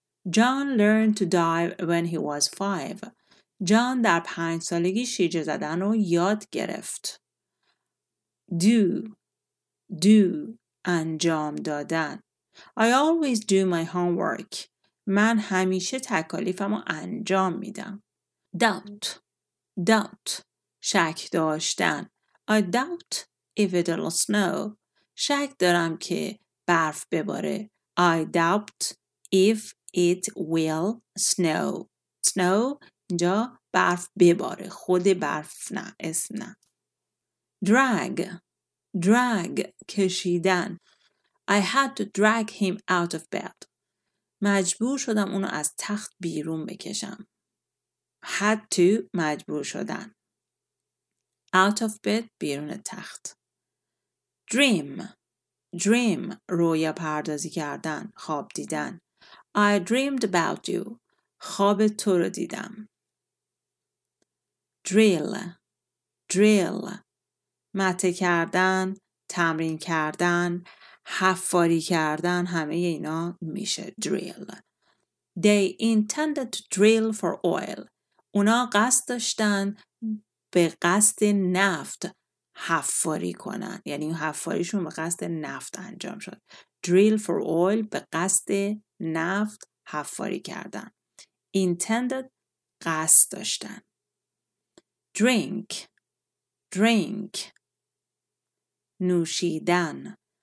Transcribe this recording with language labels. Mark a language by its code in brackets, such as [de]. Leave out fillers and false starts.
[en] John learned to dive when he was 5. [fa] John در 5 سالگی شیرجه زدن رو یاد گرفت. Do انجام دادن. [en] I always do my homework. [fa] من همیشه تکالیفمو انجام میدم. Doubt شک داشتن. [en] I doubt if it'll snow. [fa] شک دارم که برف بباره. [en] I doubt if it will snow. [fa] Snow اینجا برف بباره، خود برف نه، اسم نه. Drag کشیدن. [en] I had to drag him out of bed. [fa] مجبور شدم اونو از تخت بیرون بکشم. [en] Had to [fa] مجبور شدن. [en] Out of bed [fa] بیرون تخت. Dream رویا پردازی کردن، خواب دیدن. [en] I dreamed about you. [fa] خواب تو رو دیدم. [en] Drill. [fa] مته کردن، تمرین کردن، حفاری کردن، همه اینا میشه drill. [en] They intended to drill for oil. [fa] اونا قصد داشتن به قصد نفت حفاری کنن. یعنی حفاریشون به قصد نفت انجام شد. [en] Drill for oil [fa] به قصد نفت حفاری کردن. Intended قصد داشتن. Drink نوشیدن.